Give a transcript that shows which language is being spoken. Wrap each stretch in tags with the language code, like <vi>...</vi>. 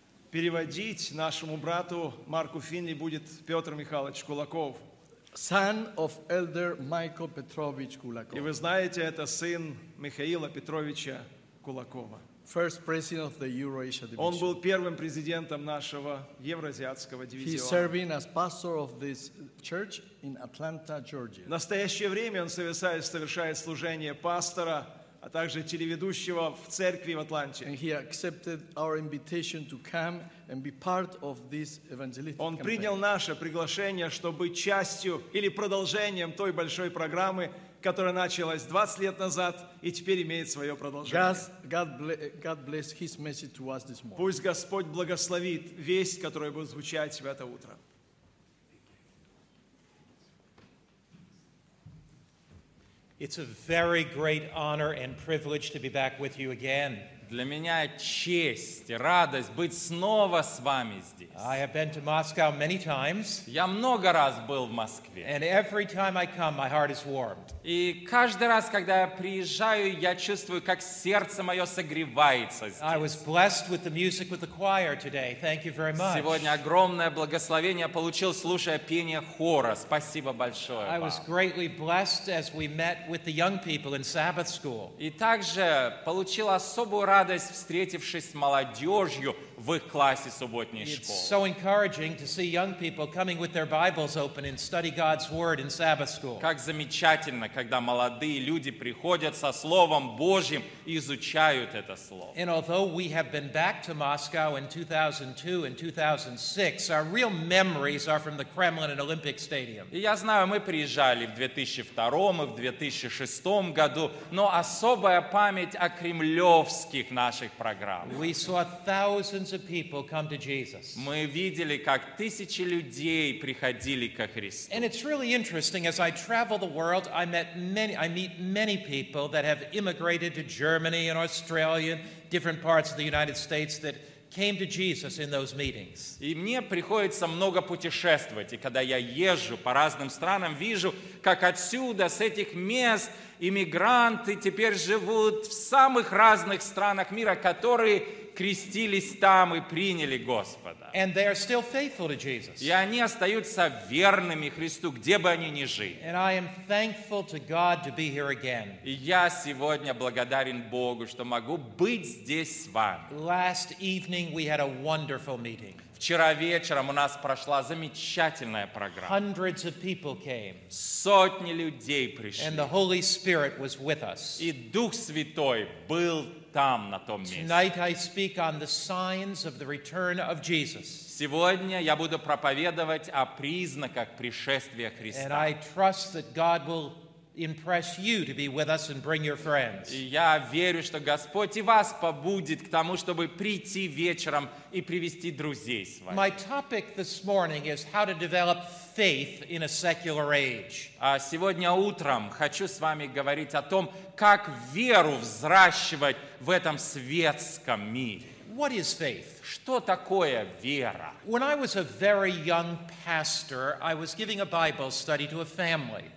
<ru>Переводить нашему брату Марку Финли будет Петр Михайлович Кулаков.</ru> <en>Son of Elder Michael Petrovich Kulakov.</en> <ru>И вы знаете, это сын Михаила Петровича Кулакова.</ru> <en>First president of the Eurasia division.</en> <ru>Он был первым президентом нашего евроазиатского дивизиона.</ru> <en>He's serving as pastor of this church in Atlanta, Georgia.</en> <ru>В настоящее время он совершает служение пастора, а также телеведущего в церкви в Атланте.</ru> <en>And he accepted our invitation to come and be part of this evangelistic campaign.</en> <ru>Он принял наше приглашение, чтобы быть частью или продолжением той большой программы, которая началась 20 лет назад и теперь имеет свое продолжение.</ru> <en>God bless his message to us this morning.</en> <ru>Пусть Господь благословит весть, которая будет звучать в это утро.</ru> <en>It's a very great honor and privilege to be back with you again.</en> <ru>Для меня честь и радость быть снова с вами здесь.</ru> <en>I have been to Moscow many times.</en> <ru>Я много раз был в Москве.</ru> <en>And every time I come, my heart is warmed.</en> <ru>И каждый раз, когда я приезжаю, я чувствую, как сердце мое согревается здесь.</ru> <en>I was blessed with the music with the choir today. Thank you very much.</en> <ru>Сегодня огромное благословение получил, слушая пение хора. Спасибо большое вам.</ru> <en>I was greatly blessed as we met with the young people in Sabbath school.</en> <ru>И также получил особую радость, встретившись с молодежью в их классе субботней школы.</ru> <en>It's so encouraging to see young people coming with their Bibles open and study God's Word in Sabbath school.</en> <ru>Как замечательно, когда молодые люди приходят со Словом Божьим и изучают это Слово.</ru> <en>And although we have been back to Moscow in 2002 and 2006, our real memories are from the Kremlin and Olympic Stadium.</en> <ru>И я знаю, мы приезжали в 2002 и в 2006 году, но особая память о кремлевских наших программах.</ru> <en>We saw thousands of people come to Jesus.</en> <ru>Мы видели, как тысячи людей приходили ко Христу.</ru> <en>And it's really interesting as I travel the world, I meet many people that have immigrated to Germany and Australia, different parts of the United States that came to Jesus in those meetings.</en> <ru>И мне приходится много путешествовать, и когда я езжу по разным странам, вижу, как отсюда, с этих мест, иммигранты теперь живут в самых разных странах мира, которые крестились там и приняли Господа.</ru> <en>And they are still faithful to Jesus.</en> <ru>И они остаются верными Христу, где бы они ни жили.</ru> <en>And I am thankful to God to be here again.</en> <ru>И я сегодня благодарен Богу, что могу быть здесь с вами.</ru> <en>Last evening we had a wonderful meeting.</en> <ru>Вчера вечером у нас прошла замечательная программа.</ru> <en>Hundreds of people came.</en> <ru>Сотни людей пришли.</ru> <en>And the Holy Spirit was with us.</en> <ru>И Дух Святой был там, на том месте.</ru> <en>Tonight I speak on the signs of the return of Jesus.</en> <ru>Сегодня я буду проповедовать о признаках пришествия Христа.</ru> <en>And I trust that God will impress you to be with us and bring your friends.</en> <ru>Я верю, что Господь и вас побудит к тому, чтобы прийти вечером и привести друзей с вами.</ru> <en>My topic this morning is how to develop faith in a secular age.</en> <ru>А сегодня утром хочу с вами говорить о том, как веру взращивать в этом светском мире.</ru> <en>What is faith?</en> <ru>Что такое вера?</ru> <en>When I was a very young pastor, I was giving a Bible study to a family.</en>